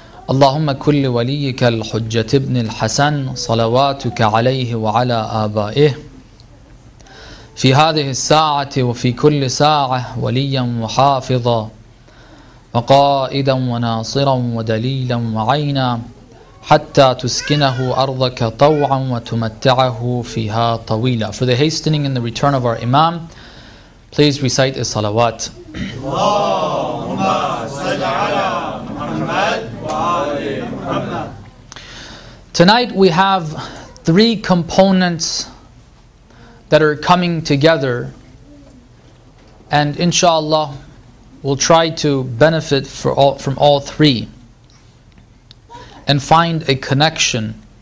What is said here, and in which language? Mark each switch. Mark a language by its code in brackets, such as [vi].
[ar] اللهم كل وليك الحجة ابن الحسن صلواتك عليه وعلى آبائه في هذه الساعة وفي كل ساعة، وليا وحافظا وقائدا وناصرا ودليلا وعينا، حتى تسكنه أرضك طوعا وتمتعه فيها طويلا. [en] For the hastening and the return of our Imam, please recite his salawat. [ar] اللهم صل على محمد وآل محمد. [en] Tonight we have three components that are coming together, and inshallah we'll try to benefit from all three and find a connection.